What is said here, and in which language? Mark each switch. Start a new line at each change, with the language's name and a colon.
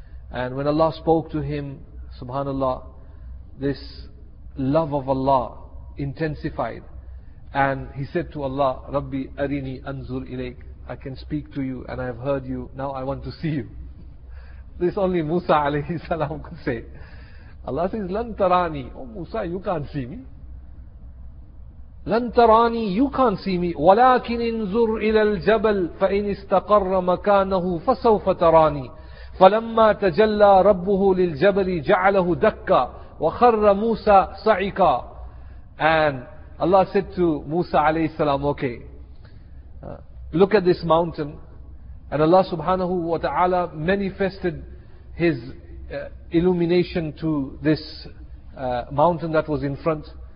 English: And when Allah spoke to him, subhanallah, this love of Allah intensified. And he said to Allah,
Arabic: Rabbi arini anzur ilayk.
English: I can speak to you and I have heard you. Now I want to see you. This only Musa alayhi salam could say. Allah says,
Arabic: Lan tarani.
English: Oh Musa, you can't see me.
Arabic: لن تراني,
English: you can't see me,
Arabic: ولكن انظر إلى الجبل فإن استقر مكانه فسوف تراني. فلما تجلى ربه للجبل جعله دكا وخر موسى صعقا.
English: And Allah said to Musa alayhi salam, okay, look at this mountain. And Allah subhanahu wa ta'ala manifested His illumination to this mountain that was in front.